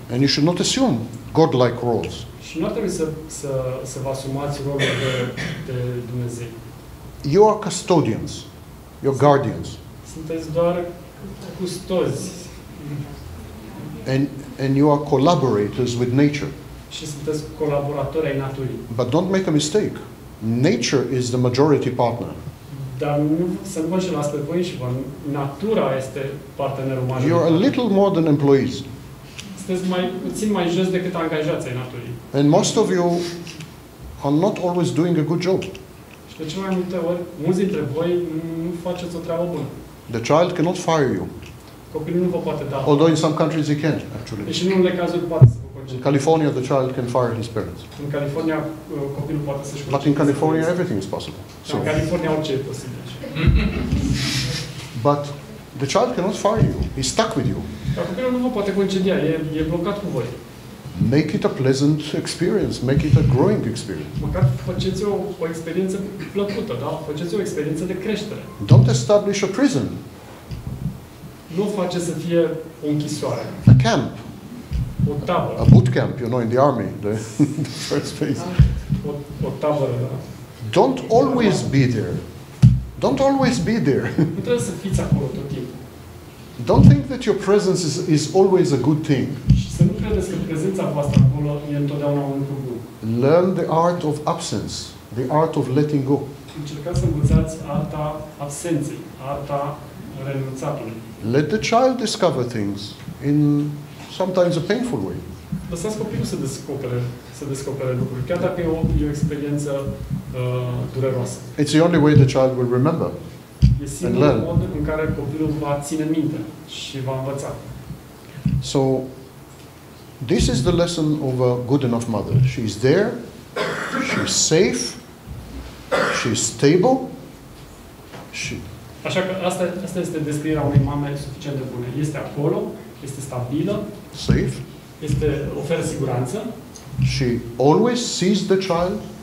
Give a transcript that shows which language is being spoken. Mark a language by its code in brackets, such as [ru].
[en] And you should not assume God-like roles. [ro] Și nu trebuie să vă asumați rolul de Dumnezei. [en] You are custodians. You're guardians. [ro] Sunteți doar custozi. [en] And you are collaborators with nature. [ro] Și sunteți colaboratori ai naturii. [en] But don't make a mistake. Nature is the majority partner. [ro] Dar nu să nu vă înșelați pe voi și vă, natura este partenerul major. [en] You are a little more than employees. [ro] Sunteți mai puțin mai jos decât angajați ai naturii. [en] And most of you are not always doing a good job. [ro] Și de cele mai multe ori, mulți dintre voi nu faceți o treabă bună. [en] The child cannot fire you. [ro] Copilul nu vă poate da. [en] Although in some countries he can, actually. [ro] Deci în unele cazuri poate să vă concedeze. [en] In California, the child can fire his parents. [ro] În California, copilul poate să-și concedeze. [en] But in California, everything is possible. [ro] So. California, orice e posibil. [en] But the child cannot fire you. He's stuck with you. [ro] Dar copilul nu vă poate concedea. E blocat cu voi. [en] Make it a pleasant experience. Make it a growing experience. [ro] Măcar faceți o experiență plăcută, da? Faceți o experiență de creștere. [en] Don't establish a prison. [ro] Nu face să fie o închisoare. [en] A camp. [ro] O tabără. [en] A boot camp, you know, in the army, the first phase. [ro] O tabără, da. [en] Don't always be there. Don't always be there. [ro] Nu trebuie să fiți acolo tot timpul. [en] Don't think that your presence is always a good thing. [ro] Să nu credeți că prezența voastră acolo e întotdeauna un lucru bun. [en] Learn the art of absence, the art of letting go. [ro] Încercați să învățați arta absenței, arta renunțatului. [en] Let the child discover things in sometimes a painful way. [ro] Lăsați copilul să descopere lucruri, chiar dacă e o experiență dureroasă. [en] It's the only way the child will remember. [ro] E singurul mod în care copilul va ține minte și va învăța. [en] So this is the lesson of a good enough mother. She is there. She is safe. She is stable. [ro] Așa că asta este descrierea unei mame suficient de bune. Este acolo, este stabilă. [en] Safe. [ro] Este oferă siguranță. [en] She always sees the child.